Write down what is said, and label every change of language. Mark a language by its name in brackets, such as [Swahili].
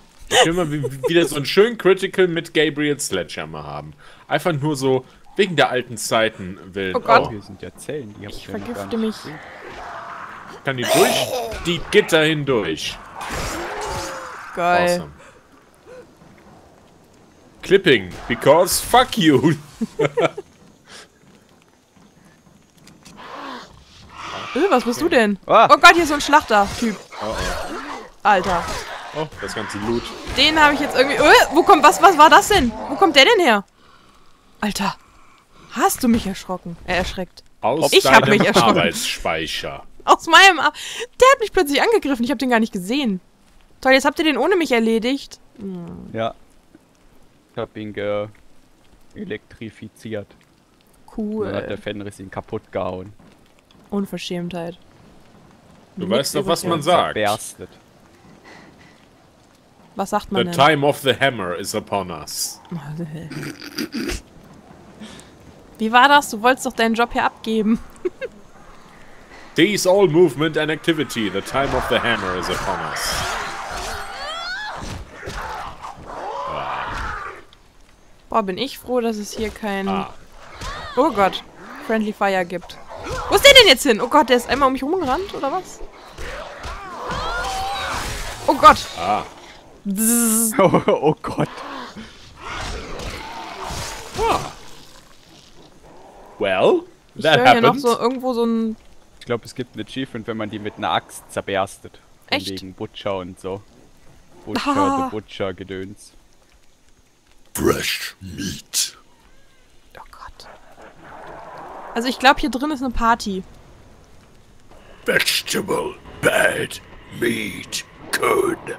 [German] Ich will mal wieder so einen schönen Critical mit Gabriel Sledgehammer haben. Einfach nur so wegen der alten Zeiten will. Oh Gott. Hier sind ja Zellen, die ich vergifte mich. Kann die durch die Gitter hindurch. Geil. [English] Awesome. Clipping, because fuck you. [German] was bist du denn? Oh Gott, hier ist so ein Schlachter-Typ. Alter. Oh, das ganze Loot. Den habe ich jetzt irgendwie. Wo kommt. Was war das denn? Wo kommt der denn her? Alter. Hast du mich erschrocken? Erschreckt. Arbeitsspeicher. Aus meinem. Der hat mich plötzlich angegriffen. Ich habe den gar nicht gesehen. Toll, jetzt habt ihr den ohne mich erledigt. Ja. Ich hab ihn elektrifiziert. Cool. Dann hat der Fenris ihn kaputt gehauen. Unverschämtheit. Du weißt doch, was man sagt. Zerberstet. Was sagt man denn? [English] The time of the hammer is upon us. [German] Wie war das? Du wolltest doch deinen Job hier abgeben. [English] Cease all movement and activity. The time of the hammer is upon us. [German] Boah, bin ich froh, dass es hier kein... Ah. Oh Gott. Friendly Fire gibt. Wo ist der denn jetzt hin? Oh Gott, der ist einmal um mich rumgerannt, oder was? Oh Gott. Ah. Oh Gott. [English] Ah. Well, that happened. [German] Ich höre noch so irgendwo so ein... Ich glaube, es gibt ein Achievement, wenn man die mit einer Axt zerberstet. Echt? Wegen Butcher und so. Butcher, the Butcher, Gedöns. [English] Fresh Meat. [German] Oh Gott. Also ich glaube, hier drin ist eine Party. [English] Vegetable, bad, meat, good.